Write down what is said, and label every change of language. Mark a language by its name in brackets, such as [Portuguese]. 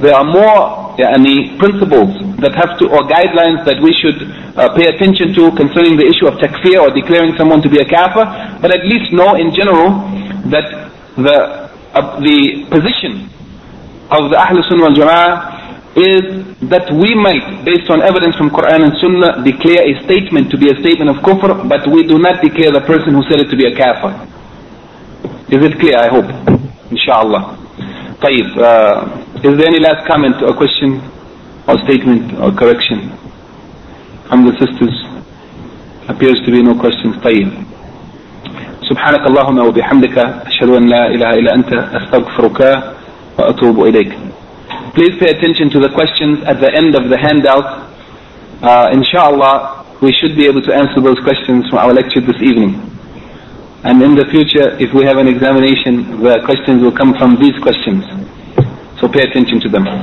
[English] there are more any principles that have to, or guidelines that we should pay attention to concerning the issue of takfir or declaring someone to be a kafir, but at least know in general that the position of the Ahlul Sunnah wal Jama'ah is that we might, based on evidence from Quran and Sunnah, declare a statement to be a statement of kufr, but we do not declare the person who said it to be a kafir. Is it clear? I hope. Inshallah. Tayyib, is there any last comment or question or statement or correction from the sisters? Appears to be no questions. Tayyib. [Arabic] سبحانك اللهم وبحمدك أشهد أن لا إله إلا أنت أستغفرك وأتوب إليك. [English] Please pay attention to the questions at the end of the handout. Inshallah, we should be able to answer those questions from our lecture this evening. And in the future, if we have an examination, the questions will come from these questions. So pay attention to them.